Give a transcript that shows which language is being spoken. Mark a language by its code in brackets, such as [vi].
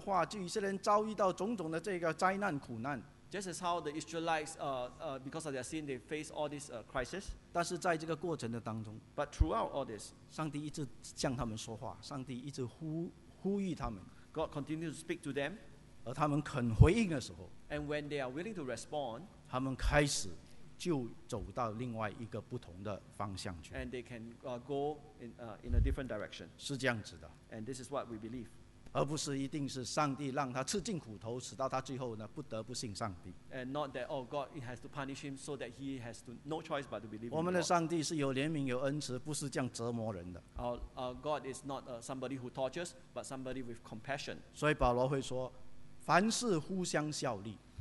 [zh] 就好像以色列人这个不听上帝的话，就以色列人遭遇到种种的这个灾难苦难。 [en] Just as how the Israelites, because of their sin, they face all this crisis. [zh] 但是在这个过程的当中， [en] but throughout all this, [zh] 上帝一直向他们说话，上帝一直呼吁他们。 [en] God continues to speak to them. [zh] 而他们肯回应的时候， [en] and when they are willing to respond, [zh] 他们开始就走到另外一个不同的方向去。 [en] And they can go in a different direction. [zh] 是这样子的。 [en] And this is what we believe. [zh] 而不是一定是上帝让他吃尽苦头，使到他最后呢不得不信上帝。 [en] And not that, oh, God has to punish him so that he has to no choice but to believe. [zh] 我们的上帝是有怜悯有恩慈，不是这样折磨人的。 [en] God is not somebody who tortures, but somebody with compassion. [zh] 所以保罗会说，凡事互相效力。